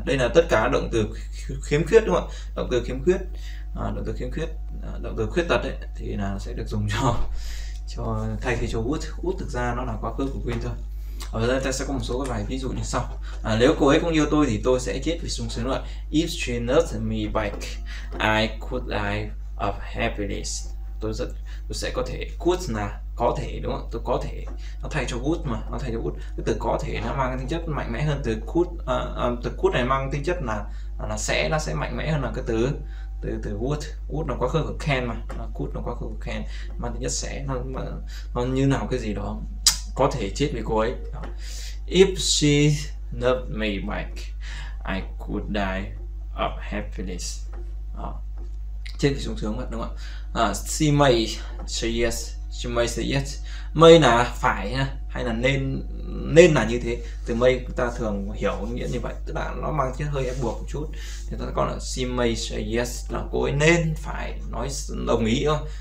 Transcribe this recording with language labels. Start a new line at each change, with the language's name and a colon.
Vietnamese: Đây là tất cả động từ khiếm khuyết đúng không ạ? Động từ khiếm khuyết, động từ khiếm khuyết, động từ khuyết tật ấy, thì là sẽ được dùng cho thay thế cho would. Would thực ra nó là quá khứ của when thôi. Ở đây ta sẽ có một số các bài ví dụ như sau. Nếu cô ấy cũng yêu tôi thì tôi sẽ chết vì sung sướng luôn.
English: If she loves me back, I could die of happiness.
Vietnamese: Tôi sẽ có thể could là có thể đúng không? Tôi có thể nó thay cho would mà nó thay cho would. Cái từ có thể nó mang tính chất mạnh mẽ hơn từ could. Từ could này mang tính chất là sẽ, nó sẽ mạnh mẽ hơn là cái từ từ từ would. Would nó quá khứ của can mà, could nó quá khứ của can, mang tính chất sẽ, nó như nào cái gì đó có thể chết vì cô ấy.
English: If she loved me back, I could die of happiness.
Vietnamese: Đó. Chết vì sung sướng mất đúng không ạ?
English: She may say yes.
Vietnamese: She may say yes. May là phải hay là nên, nên là như thế. Từ may chúng ta thường hiểu nghĩa như vậy, tức là nó mang chất hơi ép buộc một chút. Thì ta còn là
English: she may say yes
Vietnamese: là cô ấy nên phải nói đồng ý không?